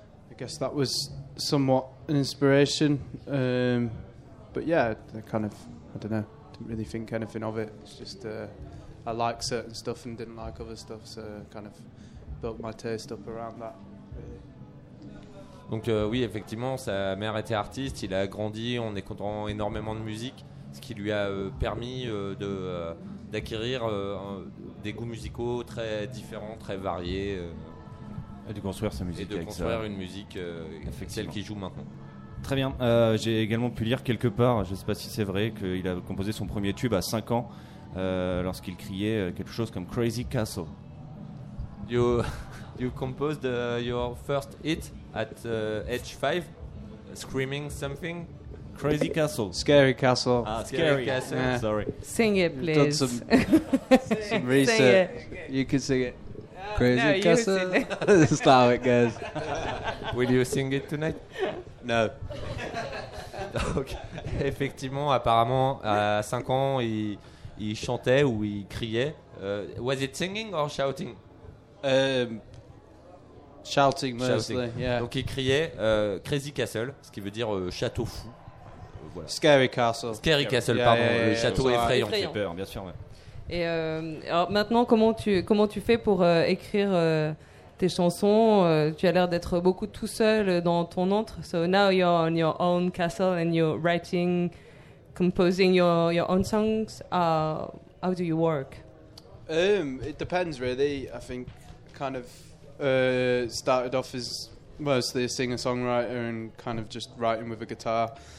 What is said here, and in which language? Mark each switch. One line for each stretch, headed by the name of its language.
English: I guess that was somewhat an inspiration, but yeah, didn't really think anything of it. It's just I like certain stuff and didn't like other stuff, so kind of built my taste up around that.
French: Donc oui, effectivement, sa mère était artiste, il a grandi en écoutant énormément de musique, ce qui lui a permis d'acquérir des goûts musicaux très différents, très variés. Et de construire sa musique. Et de construire une musique, celle qu'il joue maintenant. Très bien. J'ai également pu lire quelque part, je ne sais pas si c'est vrai, qu'il a composé son premier tube à 5 ans, lorsqu'il criait quelque chose comme Crazy Castle.
English: You composed your first hit at age 5, screaming something. Crazy Castle. Scary Castle. Ah, scary Castle. Yeah. Sorry. Sing it, please. Done some research. Sing it. You can sing it. Crazy no, Castle. This is how it goes. Will you sing it tonight? No.
French: Donc, effectivement, apparemment, à 5 ans, il chantait ou il criait.
English: Was it singing or shouting? Shouting, mostly. Shouting. Yeah.
French: Donc, il criait Crazy Castle, ce qui veut dire château fou. Voilà. Scary Castle. Scary Castle, yeah, pardon. Yeah, le château effrayant. Fait peur, bien sûr, ouais. Et alors maintenant, comment tu fais pour écrire tes chansons? Tu as l'air d'être beaucoup tout seul dans ton antre.
English: So now you're on your own castle and you're writing, composing your own songs. How do you work? It depends, really. I think kind of started off as mostly a singer-songwriter and kind of just writing with a guitar.